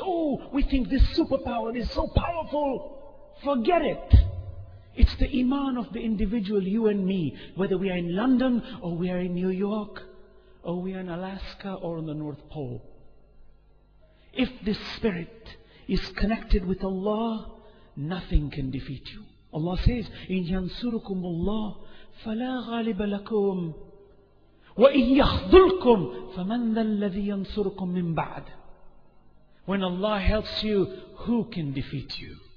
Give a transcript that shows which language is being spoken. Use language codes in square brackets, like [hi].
[en] Oh, we think this superpower is so powerful. Forget it. It's the iman of the individual, you and me. Whether we are in London or we are in New York or we are in Alaska or on the North Pole. If this spirit is connected with Allah, nothing can defeat you. Allah says, [ar] إِنْ يَنْصُرُكُمُ اللَّهِ فَلَا غَالِبَ لَكُمْ وَإِنْ يَخْضُلْكُمْ فَمَنْ ذَا الَّذِي يَنْصُرُكُمْ مِنْ بَعْدِ. [en] When Allah helps you, who can defeat you?